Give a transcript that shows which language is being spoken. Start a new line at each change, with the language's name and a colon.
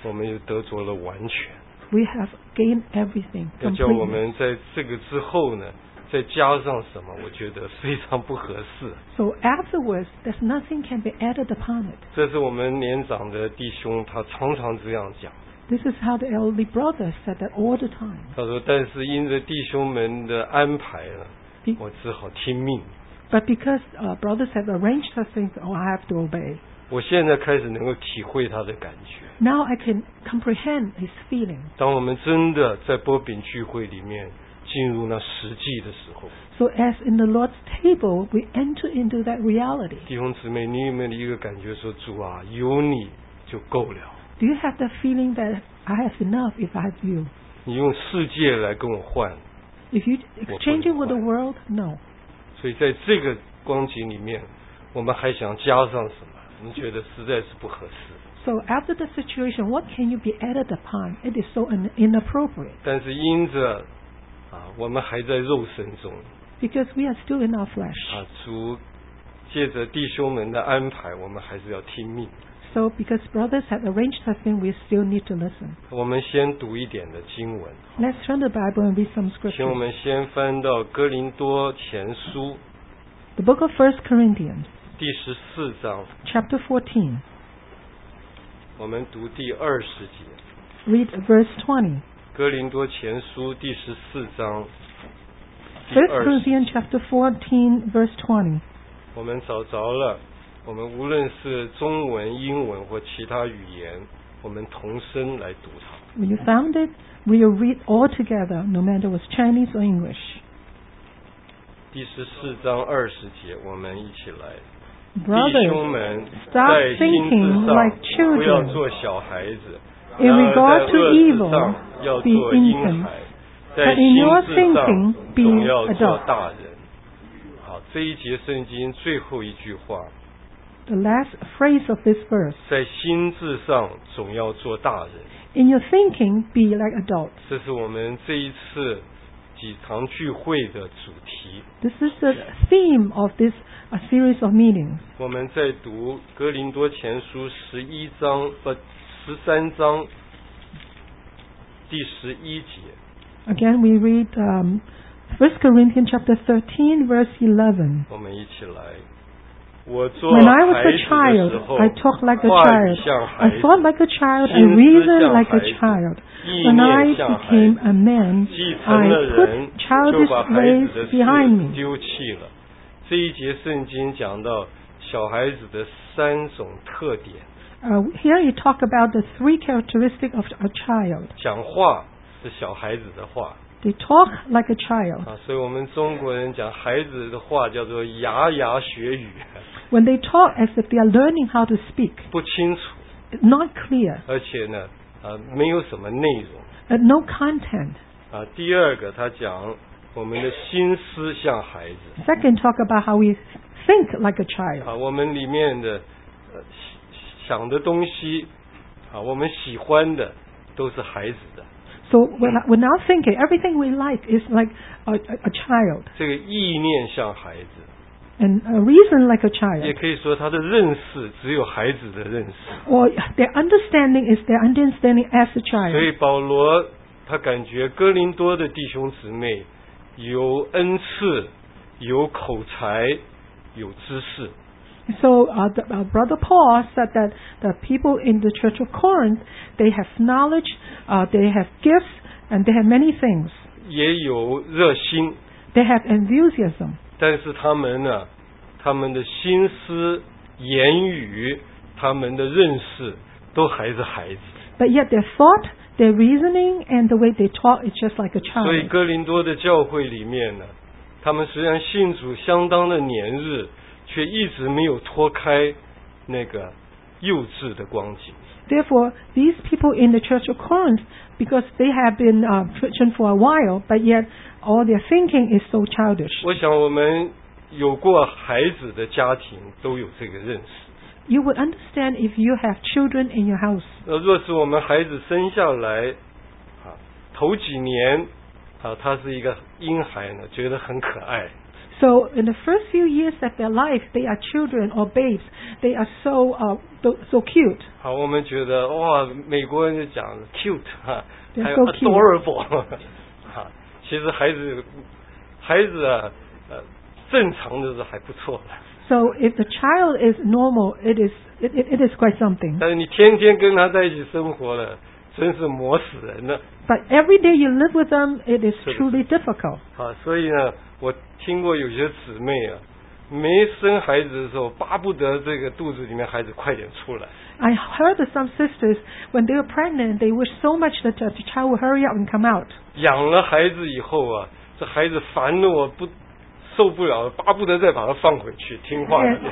Chinese: 我们又得着了完全。
English: We have gained everything.
Chinese: 要叫我们在这个之后呢？再加上什么，我觉得非常不合适。
English: So afterwards, there's nothing can be added upon it.
Chinese: 这是我们年长的弟兄，他常常这样讲。
English: This is how the elderly brother said that all the time.
Chinese: 他说，但是因着弟兄们的安排了，我只好听命。
English: But because brothers have arranged such things, oh, I have to obey.
Chinese: 我现在开始能够体会他的感觉。
English: Now I can comprehend his feeling.
Chinese: 当我们真的在擘饼聚会里面。进入那实际的时候。
English: So as in the Lord's table, we enter into that reality.
Chinese: 弟兄姊妹，你有没有一个感觉说，主啊，有你就够了。
English: Do you have the feeling that I have enough if I have you?
Chinese: 你用世界来跟我换。
English: If you exchange it with the world, no.
Chinese: 所以在这个光景里面，我们还想加上什么？你觉得实在是不合适。
English: So after the situation, what can you be added upon? It is so inappropriate.
Chinese: 但是因着啊，我们还在肉身中。
English: Because we are still in our flesh.
Chinese: 啊，主借着弟兄们的安排，我们还是要听命。
English: So because brothers have arranged something, we still need to listen.
Chinese: 我们先读一点的经文。
English: Let's turn the Bible and read some scriptures.
Chinese: 请我们先翻到哥林多前书。
English: The book of First Corinthians.
Chinese: 第十四章。
English: Chapter 14.
Chinese: 我们读第二十节。
English: Read verse 20.
Chinese: 哥林多前书第十四章。
English: First Corinthians chapter 14, verse 20.
Chinese: 我们找着了，我们无论是中文、英文或其他语言，我们同声来读它。
English: When you found it, we will read all together, no matter was Chinese or English.
Chinese: 第十四章二十节，我们一起来。
English: Brothers,
Chinese: 弟兄们，
English: stop thinking like children.
Chinese: 不要做小孩子。
English: In regard to evil, be infants. But in your thinking, be adults.
Chinese: 好，这一节圣经最后一句话。
English: The last phrase of this verse.
Chinese: 在心智上总要做大人。
English: In your thinking, be like adults.
Chinese: 这是我们这一次几堂聚会的主题。
English: This is the theme of this series of meetings.
Chinese: 我们在读哥林多前书十一章十三章第十一节。
English: Again, we read First Corinthians chapter 13, verse 11.
Chinese: 我们一起来。我做孩子的时候
English: When I was a child, I talked like a child. I thought like a child. I reasoned like a child. When I became a man, I put childish ways behind me.
Chinese: 这一节圣经讲到小孩子的三种特点。
English: Here you talk about the three characteristics of a child.
Chinese: 讲话是小孩子的话。
English: They talk like a child.
Chinese: 啊，所以我们中国人讲孩子的话叫做牙牙学语。
English: When they talk as if they are learning how to speak.
Chinese: 不清楚。
English: Not clear.
Chinese: 而且呢，没有什么内容。
English: No content.
Chinese: 啊，第二个他讲我们的心思像孩子。
English: Second, talk about how we think like a child.
Chinese: 啊，我们里面的想的东西，啊，我们喜欢的都是孩子的。
English: So when I think it, everything we like is like a child.
Chinese: 这个意念像孩子。
English: And a reason like a child.
Chinese: 也可以说他的认识只有孩子的认识。
English: Or their understanding is their understanding as a child.
Chinese: 所以保罗他感觉哥林多的弟兄姊妹有恩赐，有口才，有知识。
English: So Brother Paul said that the people in the Church of Corinth, they have knowledge, they have gifts, and they have many things.
Chinese: 也有热心。
English: They have enthusiasm.
Chinese: 但是他们呢，他们的心思、言语、他们的认识，都还是孩子。
English: But yet their thought, their reasoning, and the way they talk is just like a child.
Chinese: 所以哥林多的教会里面呢，他们虽然信主相当的年日。却一直没有脱开那个幼稚的光景。
English: Therefore, these people in the Church of Corinth, because they have been Christian for a while, but yet all their thinking is so childish.
Chinese: 我想我们有过孩子的家庭都有这个认识。
English: You would understand if you have children in your house.
Chinese: 若是我们孩子生下来，头几年，他是一个婴孩呢，觉得很可爱。
English: So in the first few years of their life, they are children or babes. They are so so cute.
Chinese: 好，我们觉得哇，美国人就讲 cute 哈，还有
English: so adorable 哈。
Chinese: 其实孩子正常的是还不错的。
English: So if the child is normal, it is quite something.
Chinese: 但是你天天跟他在一起生活了，真是磨死人了。
English: But every day you live with them, it is truly difficult.
Chinese: 好，所以呢。我听过有些姊妹啊，没生孩子的时候，巴不得这个肚子里面孩子快点出来。
English: I heard some sisters when they were pregnant, they wish so much that the child would hurry up and come out.
Chinese: 养了孩子以后啊，这孩子烦得我不受不了，巴不得再把他放回去听话。